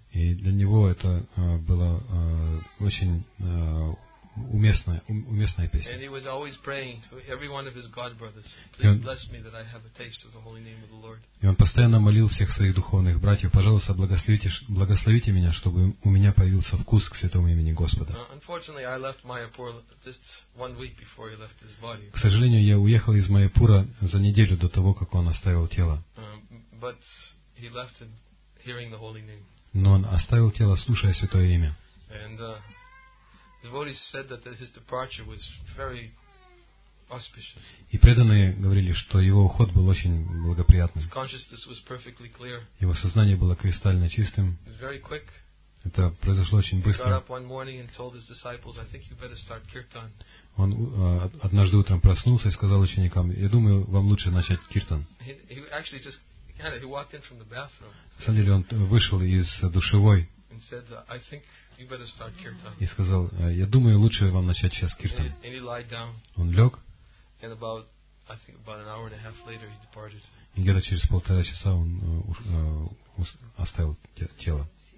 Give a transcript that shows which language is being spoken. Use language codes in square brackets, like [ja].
[ru] И для него это была очень уместная песня. [en] And he was always praying to every one of his God brothers, please bless me that I have a taste of the holy name of the Lord. [ru] И он постоянно молил всех своих духовных братьев: пожалуйста, благословите меня, чтобы у меня появился вкус к святому имени Господа. [en] Unfortunately, I left Mayapur just 1 week before he left his body. [ru] К сожалению, я уехал из Майяпура за неделю до того, как он оставил тело. [en] But he left him hearing the holy name. [ru] Но он оставил тело, слушая святое имя. [en] And devotees said that his departure was very auspicious. [ru] И преданные говорили, что его уход был очень благоприятным. [en] His consciousness was perfectly clear. [ru] Его сознание было кристально чистым. [en] It was very quick. [ru] Это произошло очень быстро. [en] He got up one morning and told his disciples, "I think you better start kirtan." [ru] Он однажды утром проснулся и сказал ученикам: "Я думаю, вам лучше начать киртан." [en] He walked in from the bathroom. [ru] На самом деле он вышел из душевой. [en] And said, "I think you better start kirtan." [ru] И сказал: "Я думаю, лучше вам начать сейчас киртан." [en] And he lied down. [ru] Он лег. [en] And about an hour and a half later, he departed. [ru] И где-то через полтора часа он оставил тело.